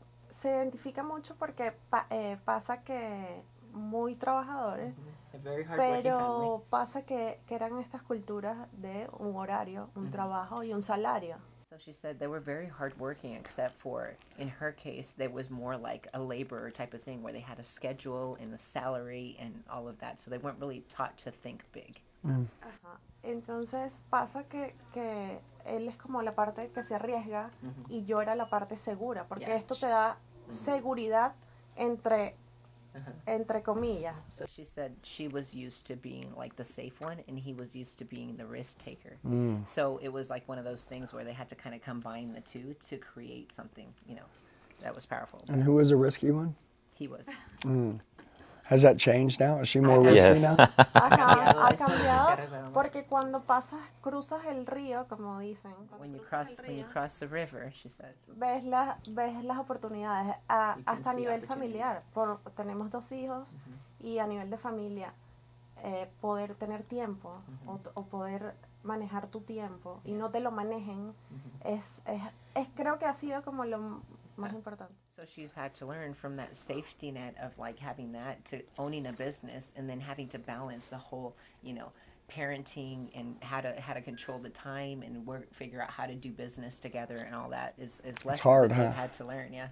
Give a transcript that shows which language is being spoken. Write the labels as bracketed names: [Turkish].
[Spanish] Se identifica mucho porque pasa que muy trabajadores, pero pasa que eran estas culturas de un horario, un trabajo y un salario. [English] So she said they were very hardworking, except for in her case, there was more like a laborer type of thing where they had a schedule and a salary and all of that. So they weren't really taught to think big. [Spanish] Entonces pasa que él es como la parte que se arriesga y yo era la parte segura, porque esto te da seguridad entre comillas. [English] So she said she was used to being like the safe one and he was used to being the risk taker. So it was like one of those things where they had to kind of combine the two to create something, you know, that was powerful. And who was the risky one? He was. Has that changed now? Is she more risky now? [Spanish] Ha cambiado, porque cuando pasas, cruzas el río, como dicen. [English] When you cross the river, she says. [Spanish] Ves las oportunidades, hasta a nivel familiar. Tenemos dos hijos, y a nivel de familia, poder tener tiempo, o poder manejar tu tiempo, y no te lo manejen, es creo que ha sido como lo... [English] So she's had to learn from that safety net of like having that to owning a business and then having to balance the whole, you know, parenting and how to control the time and work, figure out how to do business together and all that is less hard, huh? Had to learn. Yeah.